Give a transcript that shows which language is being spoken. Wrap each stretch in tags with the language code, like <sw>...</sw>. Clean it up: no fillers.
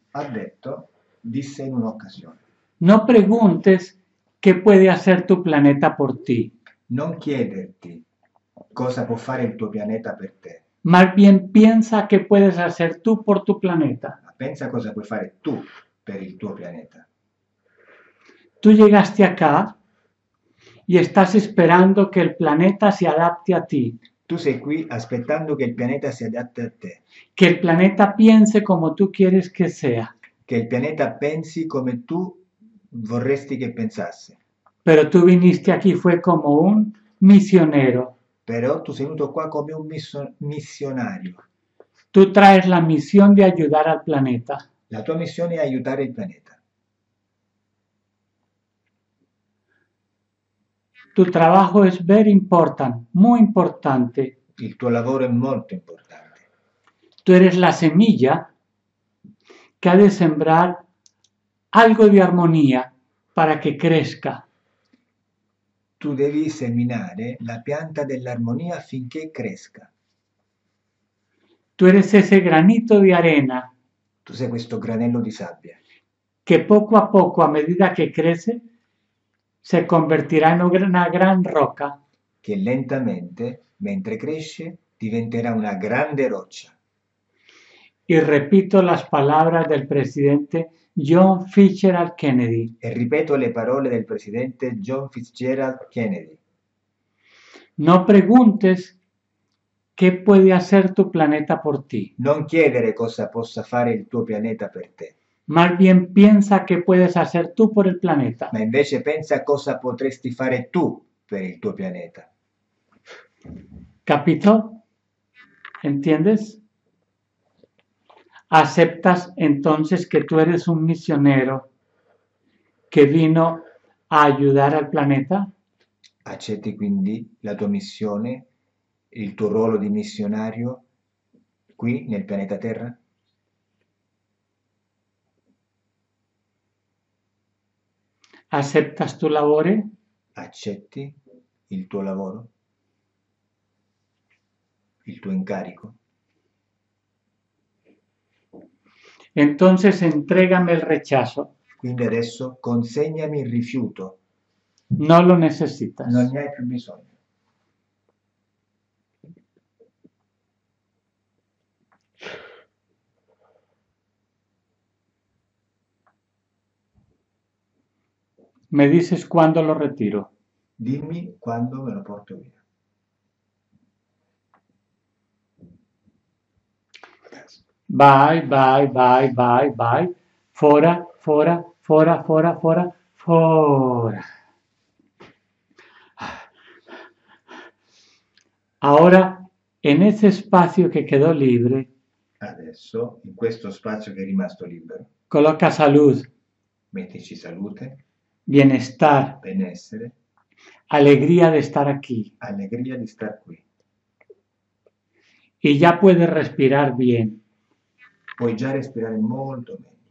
<it>Ha detto, disse in un'occasione.</it> <es>No preguntes qué puede hacer tu planeta por ti.</es> <it>Non chiederti cosa può fare il tuo pianeta per te.</it> <es>Más bien piensa qué puedes hacer tú por tu planeta.</es> <it>Ma pensa cosa puoi fare tu per il tuo pianeta.</it> <es>Tú llegaste acá y estás esperando que el planeta se adapte a ti.</es> <it>Tú sei qui aspettando che il pianeta si adatti a te.</it> <es>Que el planeta piense como tú quieres que sea.</es> <it>Che il pianeta pensi come tu vorresti che pensasse.</it> <es>Pero tú viniste aquí fue como un misionero.</es> <it>Però tu sei venuto qua come un missionario.</it> <es>Tú traes la misión de ayudar al planeta.</es> <it>La tua missione è aiutare il pianeta.</it> <es>Tu trabajo es</es> <en>very important,</en> <es>muy importante.</es> <it>Il tuo lavoro è molto importante.</it> <es>Tu eres la semilla que ha de sembrar algo de armonía para que crezca.</es> <it>Tu devi seminare la pianta dell'armonia finché cresca.</it> <es>Tú eres ese granito de arena.</es> <it>Tú sei questo granello di sabbia.</it> <es>Que poco a poco, a medida que crece, se convertirá en una gran roca.</es> <it>Que lentamente, mentre cresce, diventerà una grande roccia.</it> <es>Y repito las palabras del presidente John Fitzgerald Kennedy.</es> <it>E ripeto le parole del presidente John Fitzgerald Kennedy.</it> <es>No preguntes qué puede hacer tu planeta por ti.</es> <it>Non chiedere cosa possa fare il tuo pianeta per te.</it> <es>Más bien piensa qué puedes hacer tú por el planeta.</es> <it>Ma invece pensa cosa potresti fare tú per il tuo pianeta.</it> <es>¿Capito? ¿Entiendes? ¿Aceptas entonces que tú eres un misionero que vino a ayudar al planeta?</es> <it>¿Accetti quindi la tua missione, il tuo ruolo di missionario qui nel pianeta Terra?</it> <es>¿Aceptas tu labore?</es> <it>¿Accetti il tuo lavoro? Il tuo incarico?</it> <es>Entonces entrégame el rechazo.</es> <it>Quindi adesso consegnami il rifiuto.</it> <es>No lo necesitas.</es> <it>Non ne hai più bisogno.</it> <es>Me dices cuándo lo retiro.</es> <it>Dimmi quando me lo porto via. Bye, bye, bye, bye, bye. Fora, fora, fora, fora, fora, fora.</it> <es>Ahora, en ese espacio que quedó libre.</es> <it>Adesso, in questo spazio che è rimasto libero.</it> <es>Coloca salud.</es> <it>Mettici salute.</it> <es>Bienestar.</es> <it>Benessere.</it> <es>Alegría de estar aquí.</es> <it>Alegría di star qui.</it> <es>Y ya puedes respirar bien.</es> <it>Puoi già respirare molto meglio.</it>